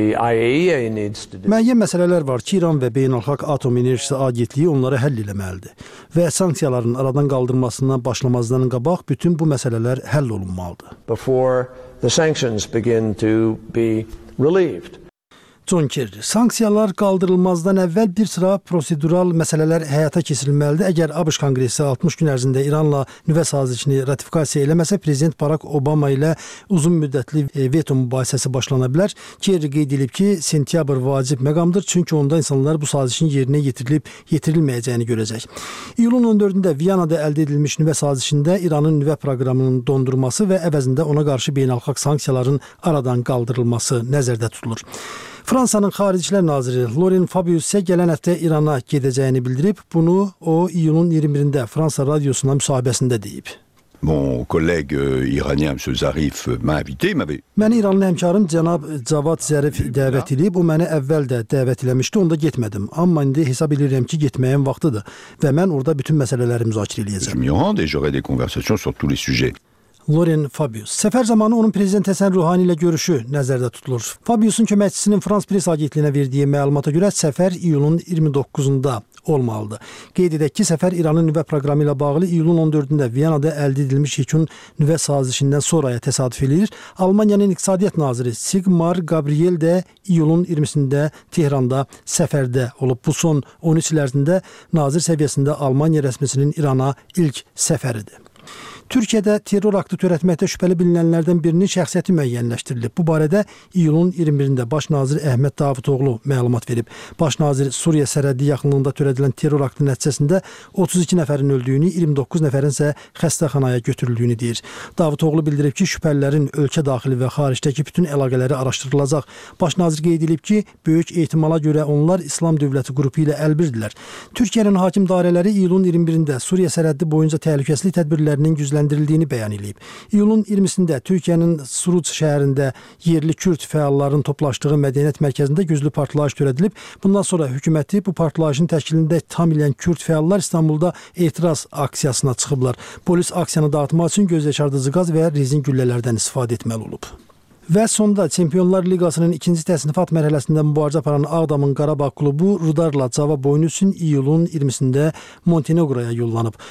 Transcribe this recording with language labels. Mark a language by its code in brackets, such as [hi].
[az] Müəyyən məsələlər var ki, İran və Beynəlxalq Atom Enerjisi Agentliyi onları həll eləməlidir. Və sanksiyaların aradan qaldırmasından başlamazdan qabaq bütün bu məsələlər həll olunmalıdır. [en] The sanctions begin to be relieved. [az] John Kerry, sanksiyalar qaldırılmazdan əvvəl bir sıra prosedural məsələlər həyata keçirilməlidir. Əgər ABŞ Konqresi 60 gün ərzində İranla nüvə sazişini ratifikasiya eləməsə, Prezident Barack Obama ilə uzun müddətli veto mübahisəsi başlana bilər. Kerry qeyd edib ki, sentyabr vacib məqamdır, çünki onda insanlar bu sazişin yerinə yetirilib yetirilməyəcəyini görəcək. İyulun 14-də Viyana'da əldə edilmiş nüvə sazişində İranın nüvə proqramının dondurması və əvəzində ona qarşı beynəlxalq sanksiyaların aradan qaldırılması nəzərdə tutulur. Fransanın Xarici İşlər Naziri Laurent Fabius isə gələn həftə İrana gedəcəyini bildirib, bunu o iyunun 21-də Fransa radiosuna müsahibəsində deyib. [fr] Mon collègue iranien Monsieur Zarif m'a invité, m'avait. [az] Məni İranlı həmkarım cənab Cavad Zarif dəvət edib. O məni əvvəl də dəvət eləmişdi, onda getmədim. Amma indi hesab edirəm ki, getməyim vaxtıdır və mən orada bütün məsələləri müzakirə edəcəm. [fr] J'aurai des conversations sur tous les sujets. [az] Laurent Fabius. Səfər zamanı onun prezident Həsən Ruhani ilə görüşü nəzərdə tutulur. Fabiusun köməkçisinin Frans Pres Agentliyinə verdiyi məlumata görə səfər iyulun 29-unda olmalıdır. Qeyd edək ki, səfər İranın nüvə proqramı ilə bağlı iyulun 14-də Viyana'da əldə edilmiş yekun nüvə sazişindən sonraya təsadüf edir. Almaniyanın iqtisadiyyat naziri Sigmar Gabriel də iyulun 20-sində Tehranda səfərdə olub. Bu son 13 il ərzində nazir səviyyəsində Almaniya rəsmisinin İrana ilk səfəridir. Türkiyədə terror aktı törətməkdə şübhəli bilinənlərdən birinin şəxsiyyəti müəyyənləşdirilib. Bu barədə iyulun 21-də Başnazir Əhməd Davutoğlu məlumat verib. Başnazir Suriya sərhədi yaxınlığında törədilən terror aktı nəticəsində 32 nəfərin öldüyünü, 29 nəfərin isə xəstəxanaya götürüldüyünü deyir. Davutoğlu bildirib ki, şübhəlilərin ölkə daxili və xaricdəki bütün əlaqələri araşdırılacaq. Başnazir qeyd edib ki, böyük ehtimala görə onlar İslam dövləti qrupu ilə əlbirdilər. Türkiyənin hakim dairələri iyulun 21-də Suriya sərhədi boyunca təhlükəsizlik tədbirlərinin [tr] değerlendirildiğini beyan edip, [az] İyulun 20'sinde Türkiye'nin Suruç şehrinde yerli Kürt faalların toplaştığı medeniyet merkezinde güclü partlayış törədilib. Bundan sonra hükümeti bu partlayışın təşkilində tam ilə Kürt faallar İstanbul'da etiraz aksiyasına çıxıblar. Polis aksiyanı dağıtmaq üçün gözyaşardıcı qaz və rezin güllələrdən istifadə etməli olub. Və sonda Çempionlar Liqasının ikinci təsnifat mərhələsində mübarizə aparan Ağdamın Qarabağ klubu Rudarla cavab oyunu üçün iyulun 20-sində Montenegro'ya yollanıb.